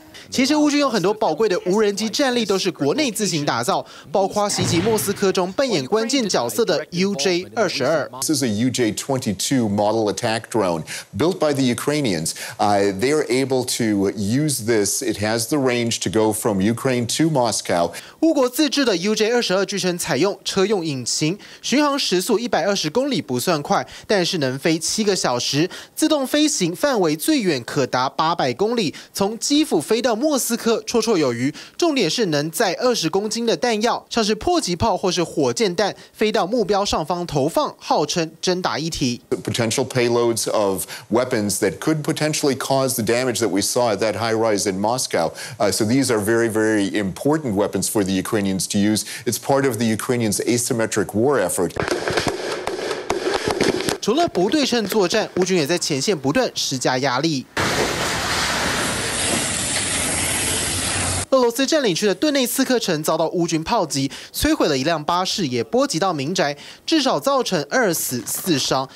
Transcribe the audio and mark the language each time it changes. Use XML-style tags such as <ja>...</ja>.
<zh>其实乌军有很多宝贵的无人机战力都是国内自行打造，包括袭击莫斯科中扮演关键角色的 UJ-22。</zh> <en>This is a UJ-22 model attack drone built by the Ukrainians. They are able to use this. It has the range to go from Ukraine to Moscow.</en> <zh>乌国自制的 UJ-22 据称采用车用引擎，巡航时速120公里不算快，但是能飞7个小时，自动飞行范围最远可达800公里，从基辅飞到。莫斯科绰绰有余，重点是能载20公斤的弹药，像是迫击炮或是火箭弹，飞到目标上方投放，号称真打一体。</zh> <en>Potential payloads of weapons that could potentially cause the damage that we saw at that high rise in Moscow. So these are very, very important weapons for the Ukrainians to use. It's part of the Ukrainians' asymmetric war effort.</en> <zh>除了不对称作战，乌军也在前线不断施加压力。俄罗斯占领区的顿内茨克城遭到乌军炮击，摧毁了一辆巴士，也波及到民宅，至少造成2死4伤。</zh>